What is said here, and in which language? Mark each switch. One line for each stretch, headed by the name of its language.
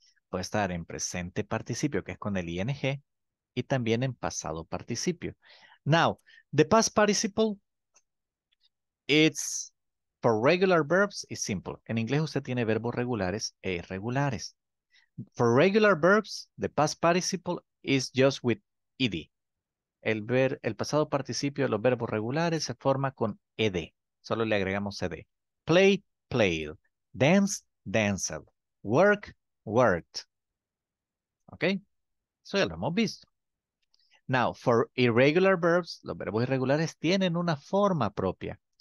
Spanish: Puede estar en presente participio, que es con el ing, y también en pasado participio.
English: Now, the past participle, it's for regular verbs, it's simple.
Spanish: En inglés usted tiene verbos regulares e irregulares.
English: For regular verbs, the past participle is just with ed.
Spanish: El pasado participio de los verbos regulares se forma con ed. Solo le agregamos ed. Play, played. Dance, danced. Work, worked. ¿Ok? Eso ya lo hemos visto.
English: Now, for irregular verbs,
Spanish: los verbos irregulares tienen una forma propia.